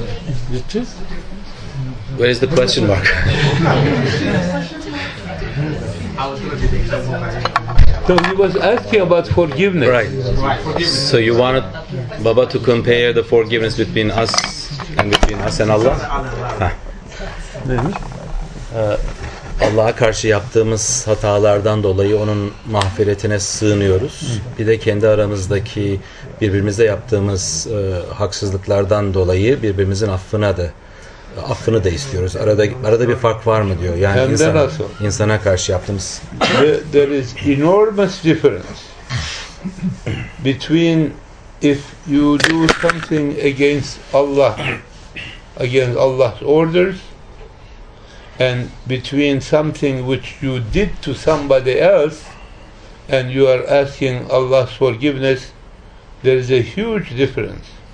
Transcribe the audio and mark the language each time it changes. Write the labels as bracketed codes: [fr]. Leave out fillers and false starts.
[en] Where is the question mark? So he was asking about forgiveness. Right. So you wanted Baba to compare the forgiveness between us and Allah? Huh. [tr] Allah'a karşı yaptığımız hatalardan dolayı onun mağfiretine sığınıyoruz. Bir de kendi aramızdaki birbirimize yaptığımız haksızlıklardan dolayı birbirimizin affını da istiyoruz. Arada bir fark var mı diyor. Yani insana karşı yaptığımız. [en] There is enormous difference between if you do something against Allah, against Allah's orders, and between something which you did to somebody else and you are asking Allah's forgiveness, there is a huge difference.